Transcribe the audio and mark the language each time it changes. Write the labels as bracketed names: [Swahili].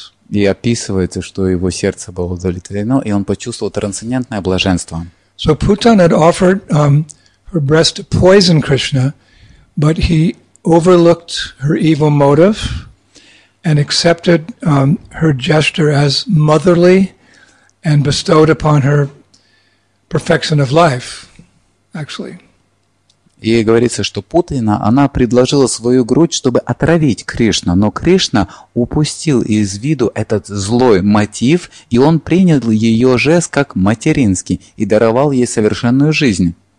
[Russian] И описывается, что его сердце было удовлетворено, и он почувствовал трансцендентное блаженство. [English] So Putan had offered her breast to poison Krishna, but he overlooked her evil motive and accepted her gesture as motherly and bestowed upon her perfection of life, actually. [Russian] И говорится, что Путина, она предложила свою грудь, чтобы отравить Кришну, но Кришна упустил из виду этот злой мотив, и он принял ее жест как материнский и даровал ей совершенную жизнь.